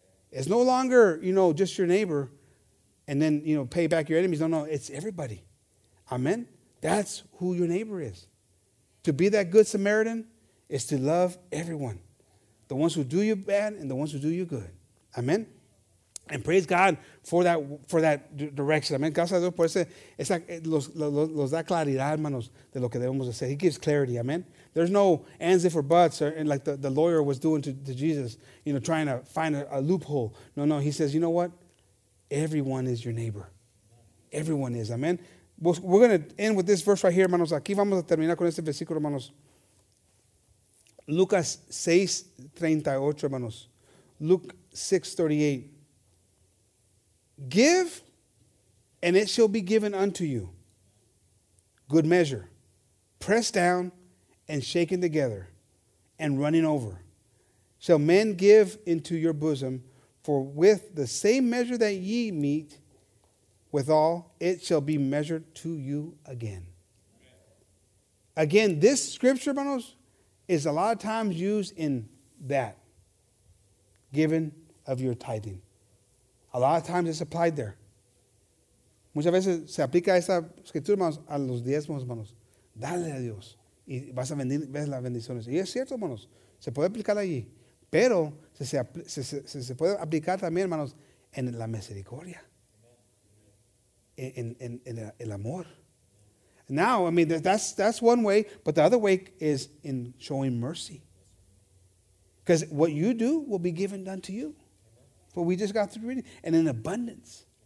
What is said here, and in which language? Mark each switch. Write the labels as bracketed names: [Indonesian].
[English] It's no longer, you know, just your neighbor and then, you know, pay back your enemies. No, it's everybody. Amen. That's who your neighbor is. To be that good Samaritan is to love everyone. The ones who do you bad and the ones who do you good. Amen. And praise God for that direction. Amen. [Spanish] Gracias a Dios por los da claridad, hermanos, de lo que debemos hacer. [English] He gives clarity. Amen. There's no ands, if, or buts, or, and like the lawyer was doing to Jesus, you know, trying to find a loophole. No. He says, you know what? Everyone is your neighbor. Everyone is. Amen. We're going to end with this verse right here, hermanos. [Spanish] Aquí vamos a terminar con este versículo, hermanos. Lucas 6:38, hermanos. Luke 6:38. [English] Give, and it shall be given unto you. Good measure, pressed down and shaken together and running over, shall men give into your bosom, for with the same measure that ye meet withal, it shall be measured to you again. Again, this scripture, hermanos, is a lot of times used in that giving of your tithing. A lot of times it's applied there. [Spanish] Muchas veces se aplica esta escritura, hermanos, a los diezmos, hermanos. Dale a Dios y vas a venir, ves las bendiciones. Y es cierto, hermanos, se puede aplicar allí. Pero se puede aplicar también, hermanos, en la misericordia, en el amor. [English] Now, I mean, that's one way, but the other way is in showing mercy. Because what you do will be given done to you. But we just got through reading, and in abundance.